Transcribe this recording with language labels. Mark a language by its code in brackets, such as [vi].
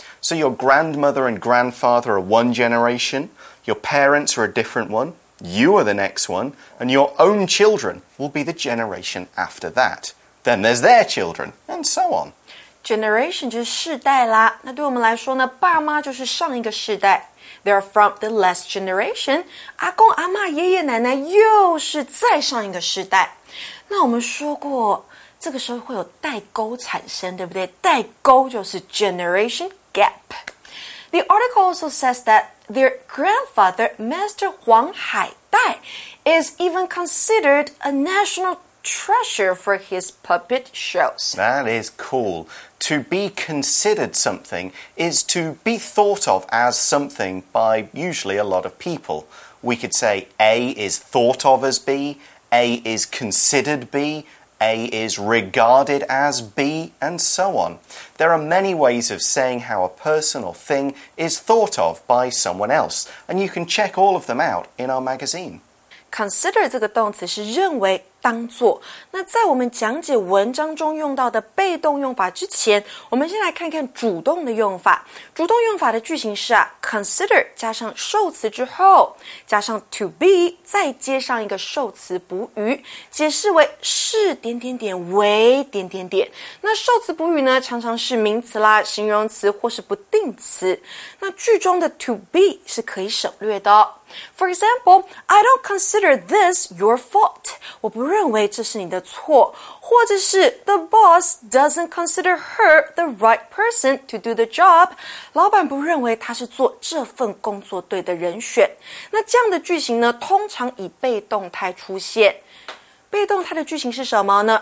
[en] So your grandmother and grandfather are 1 generation, your parents are a different one, you are the next one, and your own children will be the generation after that. Then there's their children, and so on. [zh] Generation 就是世代啦。那对我们来说呢，爸妈就是上一个世代。 [en] They're from the last generation. [zh] 阿公阿嬷爷爷奶奶又是再上一个世代。那我们说过，这个时候会有代沟产生，对不对？代沟就是 generation gap. [en] The article also says that their grandfather, Master Huang Haidai, is even considered a national treasure for his puppet shows. That is cool. To be considered something is to be thought of as something by usually a lot of people. We could say A is thought of as B, A is considered B, A is regarded as B, and so on. There are many ways of saying how a person or thing is thought of by someone else, and you can check all of them out in our magazine. [zh] Consider 这个动词是认为当作。那在我们讲解文章中用到的被动用法之前，我们先来看看主动的用法。主动用法的句型是啊 ,consider 加上受词之后，加上 to be, 再接上一个受词补语，解释为是点点点为点点点。那受词补语呢常常是名词啦形容词或是不定词。那句中的 to be 是可以省略的哦。 [en] For example, I don't consider this your fault. [zh] 我不认为这是你的错。或者是 [en] The boss doesn't consider her the right person to do the job. [zh] 老板不认为他是做这份工作对的人选。那这样的句型呢，通常以被动态出现。被动态的句型是什么呢？